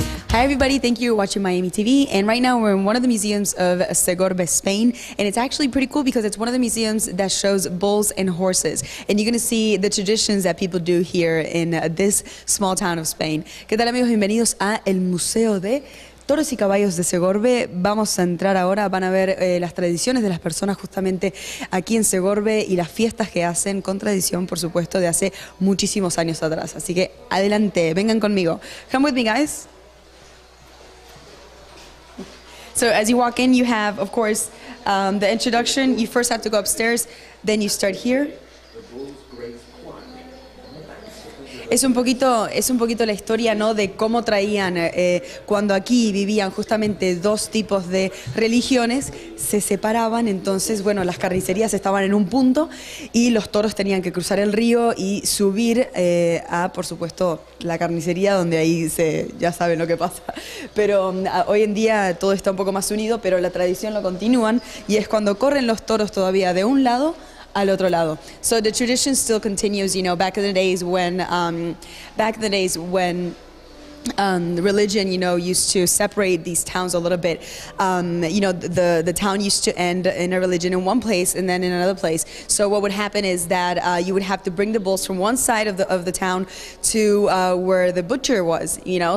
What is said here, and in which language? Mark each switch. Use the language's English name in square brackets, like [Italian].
[English] Hi everybody, thank you for watching Miami TV, and right now we're in one of the museums of Segorbe, Spain, and it's actually pretty cool because it's one of the museums that shows bulls and horses, and you're going to see the traditions that people do here in this small town of Spain. [Spanish] ¿Qué tal amigos? Bienvenidos a el Museo de Toros y Caballos de Segorbe. Vamos a entrar ahora, van a ver las tradiciones de las personas justamente aquí en Segorbe y las fiestas que hacen con tradición, por supuesto, de hace muchísimos años atrás. Así que adelante, vengan conmigo. [English] Come with me, guys. So as you walk in, you have, of course, the introduction. You first have to go upstairs, then you start here. [Spanish] Es un poquito la historia, ¿no?, de cómo traían, cuando aquí vivían justamente dos tipos de religiones, se separaban, entonces, bueno, las carnicerías estaban en un punto y los toros tenían que cruzar el río y subir a, por supuesto, la carnicería, donde ahí se, ya saben lo que pasa. Pero hoy en día todo está un poco más unido, pero la tradición lo continúan y es cuando corren los toros todavía de un lado al otro lado. [English] So the tradition still continues, you know, back in the days when the religion, you know, used to separate these towns a little bit. You know, the town used to end in a religion in one place and then in another place. So what would happen is that you would have to bring the bulls from one side of the town to where the butcher was, you know.